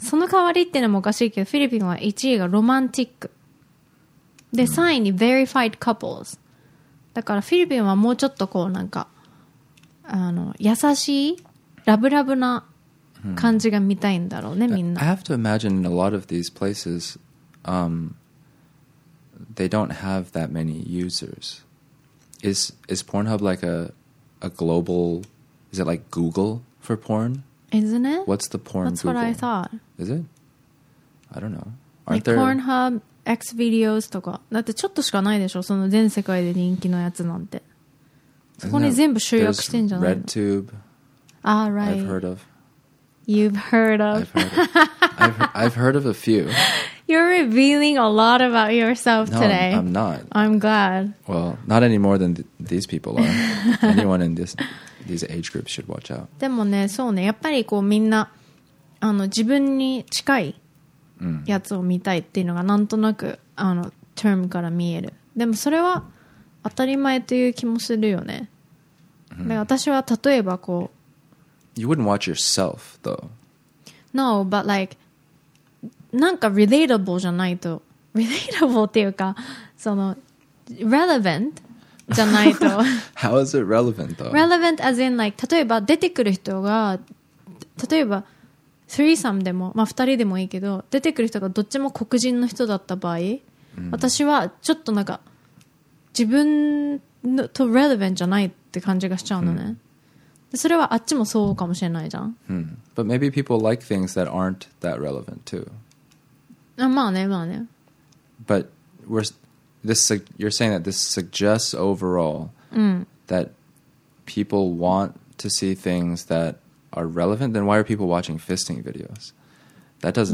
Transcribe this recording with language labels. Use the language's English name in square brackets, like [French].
[Japanese] その代わりっていうのもおかしいけど、フィリピンは1位がロマンティック。で、3位に verified couples。だからフィリピンはもうちょっとこうなんか、あの、優しい、ラブラブな感じが見たいんだろうね、みんな。 [English] I have to imagine in a lot of these places, they don't have that many users. Is Pornhub like a global, is it like Google for porn? Isn't it? What's the porn That's Google? That's what I thought. Is it? I don't know. Aren't like there... Pornhub, Xvideos とか。 [Japanese] だってちょっとしかないでしょ、その全世界で人気のやつなんて。そこに全部集約してんじゃないの。 [English] RedTube. Ah, right. I've heard of. You've heard of. I've heard of a few. You're revealing a lot about yourself no, today. I'm not. I'm glad. Well, not any more than these people are. Anyone in these age groups should watch out. [Japanese] でもね、そうね、やっぱりこうみんな、あの、自分に近いやつを見たいっていうのがなんとなく、あの、term から見える。でもそれは当たり前という気もするよね。で、私は例えばこう、 [English] You wouldn't watch yourself, though. No, but like, [Japanese] なんか relatable じゃないと、relatable っていうか、その relevant じゃないと。 [English] How is it relevant, though? Relevant as in like, [Japanese] 例えば出てくる人が、例えば threesome でも、まあ二人でもいいけど、出てくる人がどっちも黒人の人だった場合、mm. 私はちょっとなんか自分のと relevant じゃないって感じがしちゃうのね。Mm. それはあっちもそうかもしれないじゃん。 Hmm. [English] But maybe people like things that aren't that relevant too. [Japanese] あ、まあね、まあね。 [English] But you're saying that this suggests overall、 [Japanese] うん、 [English] that people want to see things that are relevant. Then why are people watching fisting videos? That doesn't